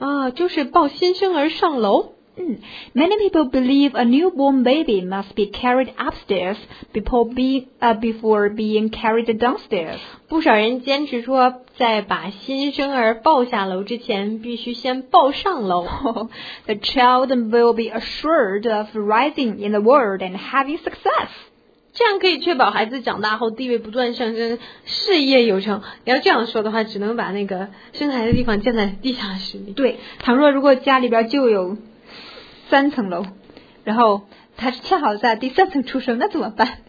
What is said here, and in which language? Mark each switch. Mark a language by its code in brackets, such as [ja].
[zh] 就是抱新生儿上楼。 [en] Many people believe a newborn baby must be carried upstairs before being carried downstairs. [zh] 不少人坚持说，在把新生儿抱下楼之前，必须先抱上楼。 [en] The child will be assured of rising in the world and having success. [zh] 这样可以确保孩子长大后地位不断上升，事业有成。你要这样说的话，只能把那个生孩子的地方建在地下室里。对，倘若如果家里边就有三层楼，然后他恰好在第三层出生，那怎么办？